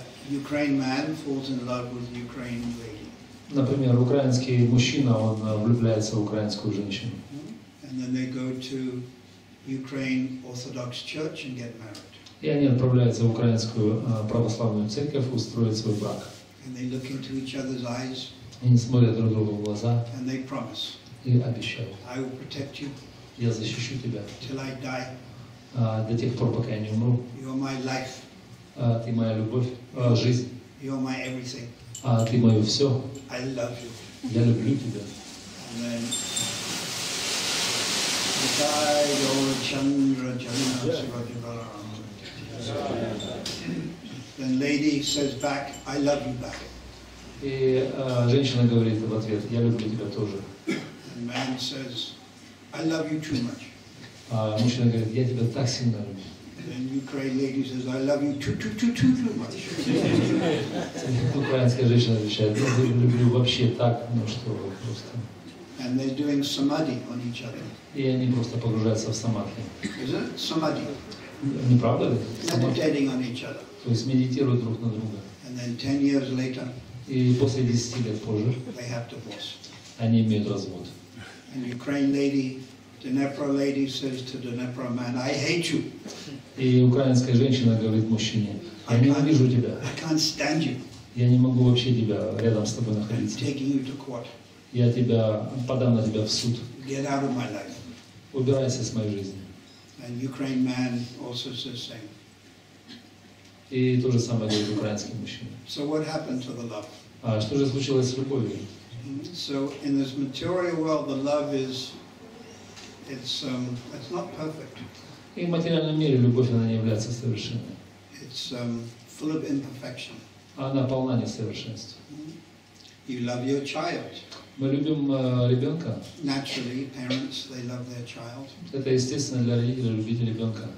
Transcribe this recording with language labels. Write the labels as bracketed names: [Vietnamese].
[English] Ukraine man falls in love with Ukraine lady. [Russian] Например, украинский мужчина, он влюбляется в украинскую женщину. [English] And then they go to Ukraine Orthodox Church and get married. [Russian] И они отправляются в украинскую православную церковь устроить свой брак. [English] And they look into each other's eyes. [Russian] И они смотрят друг другу в глаза. [English] And they promise. [Russian] И обещают. [English] I will protect you. [Russian] Я защищу тебя. [English] Till I die. [Russian] До тех пор, пока я не умру. [English] You are my life. [Russian] Ты моя любовь, жизнь. [English] You are my everything. [Russian] Ты мое все. [English] I love you. [Russian] Я люблю тебя. [English] And then I die, your Chandra, Then lady says back, I love you back. [Russian] И женщина говорит в ответ, я люблю тебя тоже. [English] And man says, I love you too much. [Russian] Мужчина говорит, я тебя так сильно люблю. [English] And Ukraine lady says, I love you too much. [Russian] Украинская женщина отвечает, я тебя люблю вообще так, ну что просто. [English] And they're doing samadhi on each other. [Russian] И они просто погружаются в самадхи. [English] Is it samadhi? [Russian] Не правда ли? [English] Meditating on each other. [Russian] То есть медитируют друг на друга. [English] And then 10 years later. [Russian] И после 10 лет позже. [English] They have divorce. [Russian] Они имеют развод. [English] And Ukraine lady, Dnepro lady says to Dnepro man, I hate you. [Russian] И украинская женщина говорит мужчине, я ненавижу тебя. [English] I can't stand you. [Russian] Я не могу вообще тебя рядом с тобой находиться. [English] I'm taking you to court. [Russian] Я тебя подам на тебя в суд. [English] Get out of my life. [Russian] Убирайся с моей жизни. [English] And Ukraine man also says same. [Russian] И то же самое говорит украинский мужчина. [English] So what happened to the love? [Russian] Что же случилось с любовью? [English] So in this material world, the love is—it's not perfect. [Russian] И в материальном мире любовь она не является совершенной. [English] It's full of imperfection. [Russian] Она полна несовершенства. [English] You love your child. [Russian] Мы любим ребенка. [English] Naturally, parents they love their child. [Russian] Это естественно для родителей любить ребенка.